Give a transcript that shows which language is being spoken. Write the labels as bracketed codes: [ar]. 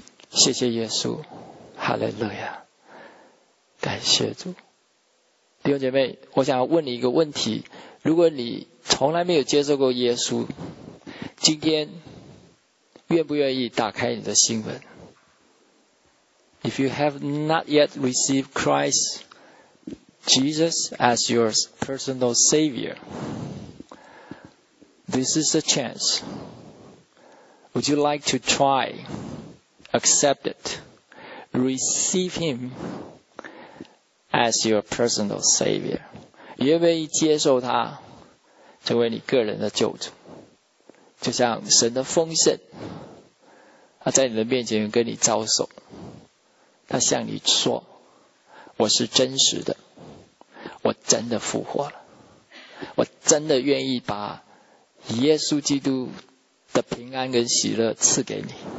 [zh] 谢谢耶稣，哈利路亚，感谢主。弟兄姐妹，我想要问你一个问题，如果你从来没有接受过耶稣，今天愿不愿意打开你的心门？ [en] If you have not yet received Christ Jesus as your personal Savior, this is a chance. Would you like to try, accept it, receive Him as your personal Savior? [zh] 愿不愿意接受他成为你个人的救主？就像神的丰盛，他在你的面前跟你招手，他向你说，我是真实的，我真的复活了，我真的愿意把耶稣基督的平安跟喜乐赐给你。